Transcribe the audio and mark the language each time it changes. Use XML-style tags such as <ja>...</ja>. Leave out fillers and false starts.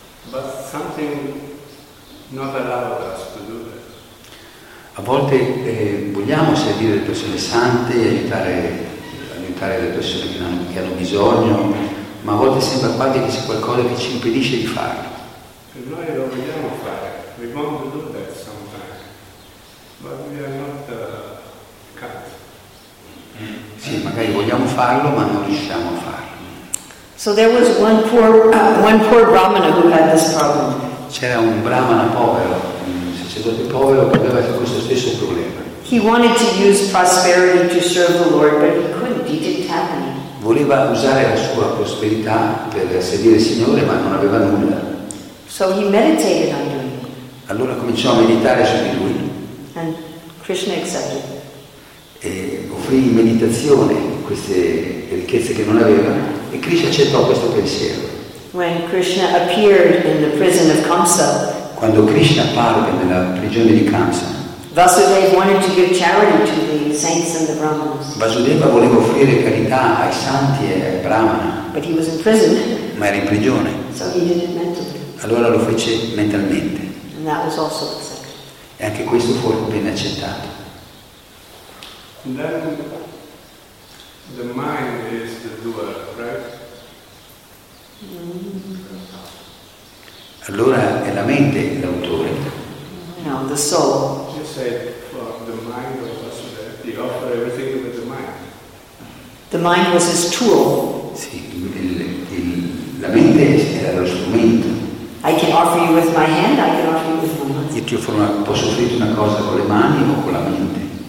<en>But something not allowed us to do that.</en> <it>A volte vogliamo servire le persone sante, aiutare le persone che hanno bisogno, ma a volte sembra quasi che c'è qualcosa che ci impedisce di farlo. E noi lo vogliamo fare.</it> <en>We want to do that sometimes. But we are not cut.</en> <it>Sì, magari vogliamo farlo, ma non riusciamo a farlo.</it> <en>So there was one poor Brahmana who had this problem.</en> <it>C'era un Brahmana povero, un sacerdote povero che aveva questo stesso problema.</it> <en>He wanted to use prosperity to serve the Lord, but he couldn't, he didn't have any.</en> <it>Voleva usare la sua prosperità per servire il Signore, ma non aveva nulla.</it> <en>So he meditated on doing it.</en> <it>Allora cominciò a meditare su di lui.</it> <en>And Krishna accepted.</en> <it>E offrì in meditazione queste ricchezze che non aveva e Krishna accettò questo pensiero.</it> <en>When Krishna appeared in the prison of Kamsa.</en> <it>Quando Krishna apparve nella prigione di Kamsa.</it> <en>Vasudeva wanted to give charity to the saints and the brahmanas.</en> <it>Vasudeva voleva offrire carità ai santi e ai brahmana.</it> <en>But he was in prison.</en> <it>Ma era in prigione.</it> <en>So he did it mentally.</en> <it>Allora lo fece mentalmente.</it> <en>And that was also accepted.</en> <it>E anche questo fu ben accettato.</it> <en>And then the mind is the doer, right?</en> <it>Allora è la mente l'autore.</it> <en>No, the soul. You said the mind was the author, everything with the mind. The mind was his tool.</en> <it>Sì, la mente era lo strumento.</it> <en>I can offer you with my hand, I can offer you with my mind.</en> <it>Io ti offro una, posso offrirti una cosa con le mani o con la mente.</it>